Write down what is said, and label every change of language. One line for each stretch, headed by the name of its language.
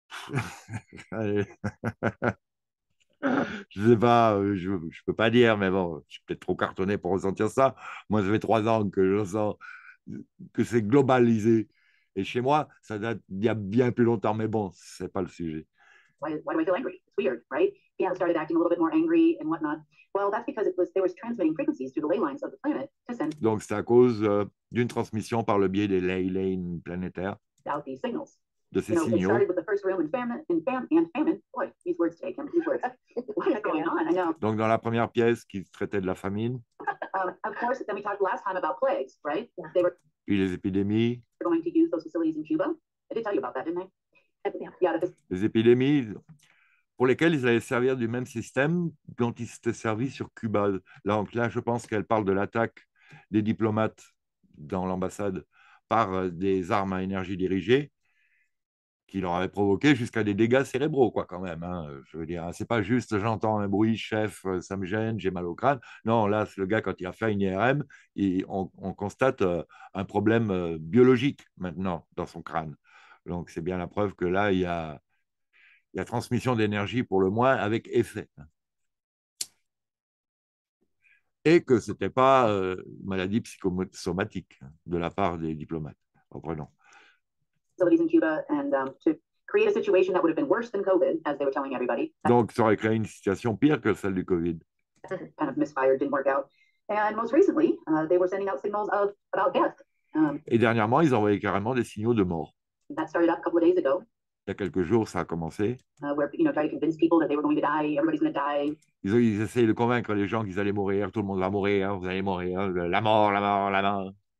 French: Je sais pas, je peux pas dire, mais bon, je suis peut-être trop cartonné pour ressentir ça. Moi, ça fait 3 ans que je sens que c'est globalisé. Et chez moi, ça date d'il y a bien plus longtemps, mais bon, c'est pas le sujet.
English: Why do I feel angry? It's weird, right? Yeah, I started acting a little bit more angry and whatnot. Well, that's because there was transmitting frequencies through the ley lines of the planet to send.
French: Donc, c'est à cause d'une transmission par le biais des ley lines planétaires.
English: Out these signals.
French: De ces signaux.
English: You know, it started with the first room and famine. Boy, these words take him. These words. What is going on? I know.
French: Donc, dans la première pièce qui traitait de la famine.
English: Of course, then we talked last time about plagues, right? Yeah. They were.
French: Puis les épidémies.
English: They're going to use those facilities in Cuba. I did tell you about that, didn't I?
French: Les épidémies pour lesquelles ils allaient servir du même système dont ils s'étaient servis sur Cuba. Donc là, je pense qu'elle parle de l'attaque des diplomates dans l'ambassade par des armes à énergie dirigée qui leur avaient provoqué jusqu'à des dégâts cérébraux, quoi, quand même. Hein. Je veux dire, c'est pas juste j'entends un bruit, chef, ça me gêne, j'ai mal au crâne. Non, là, c'est le gars, quand il a fait une IRM, on constate un problème biologique maintenant dans son crâne. Donc, c'est bien la preuve que là, il y a transmission d'énergie pour le moins avec effet. Et que ce n'était pas maladie psychosomatique de la part des diplomates. Reprenons. Donc, ça aurait créé une situation pire que celle du Covid.
English: Kind of misfired, didn't work out. And most recently, they were sending out signals about death.
French: Et dernièrement, ils envoyaient carrément des signaux de mort.
English: That started up a couple of days ago.
French: Il y a quelques jours, ça a commencé.
English: Where, you know, trying to convince people that they were going to die, everybody's going to die.
French: Ils essayaient de convaincre les gens qu'ils allaient mourir, tout le monde va mourir, vous allez mourir, la mort, la mort, la mort.